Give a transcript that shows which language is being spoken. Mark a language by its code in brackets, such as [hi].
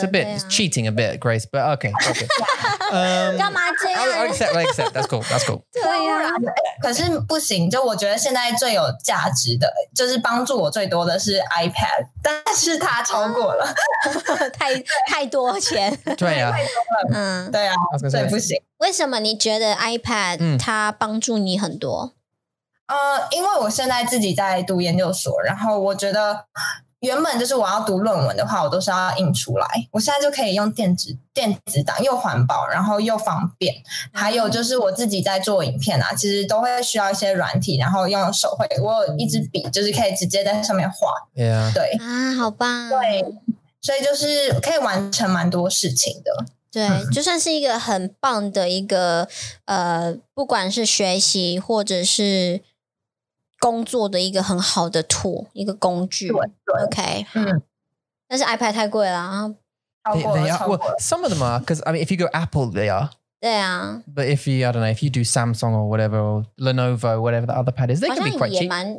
[en] It's a bit cheating a bit, Grace, but okay, okay. [zh] 干嘛这样？ [en] I'll accept. That's cool. That's cool. [zh] 对呀、啊，可是不行，就我觉得现在最有价值的，就是帮助我最多的是 iPad, 但是它超过了，太多钱。对呀、啊，嗯，对呀、啊，所以不行。为什么你觉得 iPad 它帮助你很多？因为我现在自己在读研究所，然后我觉得原本就是我要读论文的话，我都是要印出来，我现在就可以用电子档，又环保，然后又方便。还有就是我自己在做影片啊，其实都会需要一些软体，然后用手绘，我有一支笔，就是可以直接在上面画。 [en] Yeah. [zh] 对啊，好棒。对，所以就是可以完成蛮多事情的。对，就算是一个很棒的一个不管是学习或者是工作的一个很好的 tool, 一个工具。对 OK, 但是 iPad 太贵了啊。超过了 [en] well, some of them are, because I mean, if you go Apple, they are. [zh] 对啊。 [en] But if you, I don't know, if you do Samsung or whatever, or Lenovo, whatever the other pad is, they can be quite cheap.